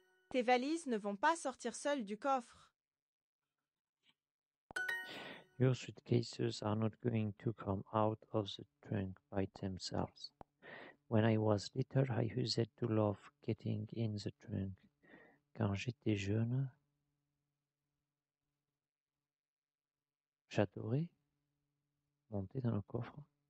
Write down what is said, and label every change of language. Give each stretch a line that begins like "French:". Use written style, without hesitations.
French: Tes valises ne vont pas sortir seules du coffre.
English: Your suitcases are not going to come out of the trunk by themselves. When I was little, I used to love getting in the trunk.
French: Quand j'étais jeune, j'adorais monter dans le coffre.